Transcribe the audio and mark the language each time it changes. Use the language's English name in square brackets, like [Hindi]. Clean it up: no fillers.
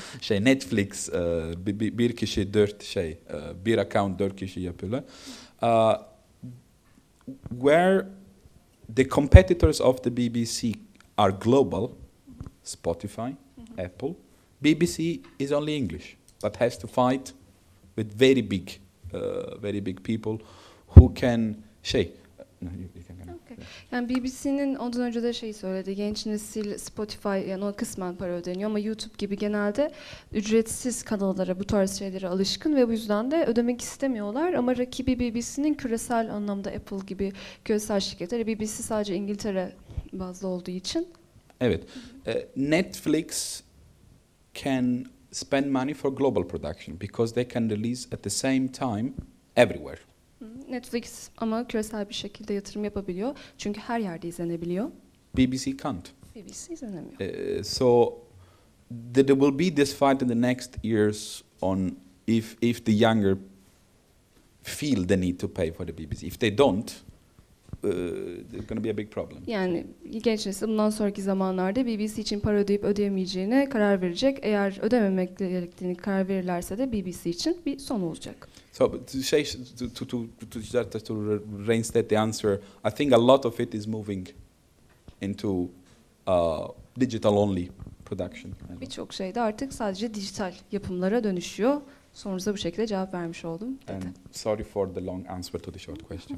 [Turkish] Netflix, bir kişi dört bir account dört kişi yapıyorlar. [English] Where the competitors of the BBC are global, Spotify, mm-hmm. Apple, BBC is only English, but has to fight with very big very big people who can şey. Okay. [Turkish] Yani BBC'nin ondan önce de şeyi söyledi, genç nesil Spotify, yani ona kısmen para ödeniyor ama YouTube gibi genelde ücretsiz kanallara, bu tarz şeylere alışkın ve bu yüzden de ödemek istemiyorlar. Ama rakibi BBC'nin küresel anlamda Apple gibi küresel şirketler. BBC sadece İngiltere bazlı olduğu için. Evet. [English] Netflix can spend money for global production because they can release at the same time everywhere. [Turkish] Netflix ama küresel bir şekilde yatırım yapabiliyor. Çünkü her yerde izlenebiliyor. [English] BBC can't. [Turkish] BBC izlenemiyor. [English] So there will be this fight in the next years on if the younger feel the need to pay for the BBC. If they don't, there's going to be a big problem. [Turkish] Yani genç nesil bundan sonraki zamanlarda BBC için para ödeyip ödeyemeyeceğine karar verecek. Eğer ödememek gerektiğini karar verirlerse de BBC için bir son olacak. [English] So to reinstate the answer, I think a lot of it is moving into digital only production. [Turkish] Birçok şey de artık sadece dijital yapımlara dönüşüyor. Sonrasında bu şekilde cevap vermiş oldum. [English] And sorry for the long answer to the short question.